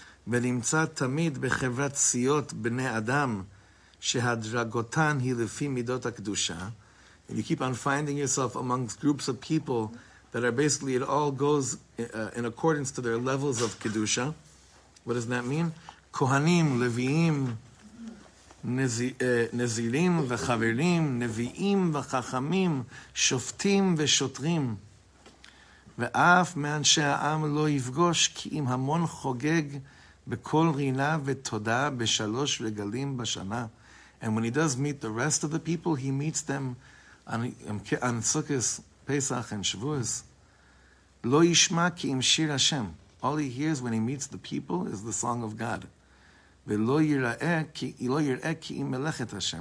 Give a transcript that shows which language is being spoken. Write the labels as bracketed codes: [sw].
[he] ve'nimtza tamid b'chevrat siyot b'nei adam, שהדרגותן היא לפי מידות הקדושה. [en] And you keep on finding yourself amongst groups of people that are basically, it all goes in accordance to their levels of kedusha. What does that mean? [he] כהנים, לוויים, נזירים וחברים, נביאים וחכמים, שופטים ושוטרים. ואף מאנשי העם לא יפגוש, כי אם המון חוגג בכל רינה ותודה בשלוש רגלים בשנה. [en] And when he does meet the rest of the people, he meets them [he] on Sukkot, Pesach, and Shavuos, Lo yishma ki im shir Hashem. [en] All he hears when he meets the people is the song of God. [he] Ve'lo yira'eh ki im melechet Hashem.